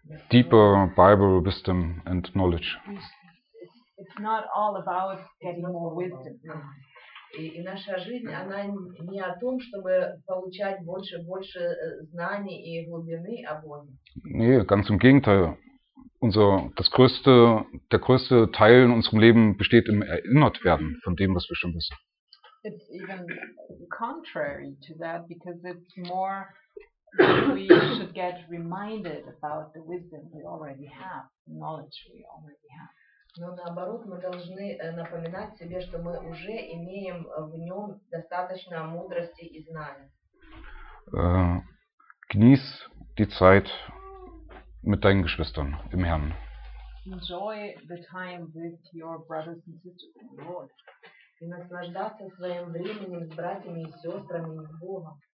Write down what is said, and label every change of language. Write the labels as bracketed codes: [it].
[en] Deeper Bible wisdom and knowledge. It's not all about getting more wisdom. [ru] И наша жизнь, она не о том, чтобы получать больше знаний и глубины о Боге. [de] Nee, ganz im Gegenteil. Der größte Teil in unserem Leben besteht im Erinnertwerden von dem, was wir schon wissen. [en] It's even contrary to that, because it's more we should get reminded about the wisdom we already have, the knowledge we already have. [ru] Но наоборот, мы должны напоминать себе, что мы уже имеем в нем достаточно мудрости и знаний. [de] Genieß die Zeit mit deinen Geschwistern im Herrn. [en] Enjoy the time with your brothers and sisters in the Lord. [ru] И наслаждаться своим временем с братьями и сестрами в Боге.